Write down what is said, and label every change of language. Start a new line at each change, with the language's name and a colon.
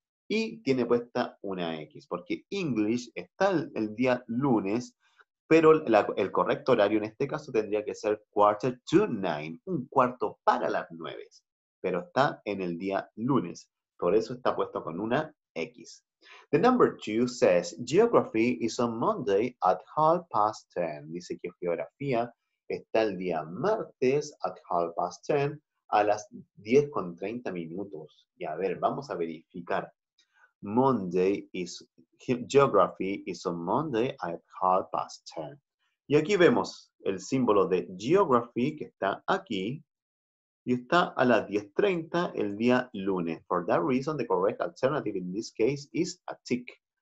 Spanish: Y tiene puesta una X, porque English está el día lunes, pero el correcto horario en este caso tendría que ser 9:15, 9:15. Pero está en el día lunes, por eso está puesto con una X.
English: The number two says, geography is on Monday at 10:30.
Spanish: Dice que geografía está el día martes at 10:30, a las 10:30. Y a ver, vamos a verificar.
English: Geography is on Monday at 10:30.
Spanish: Y aquí vemos el símbolo de geography que está aquí. Y está a las 10:30 el día lunes.
English: For that reason, the correct alternative in this case is a tick.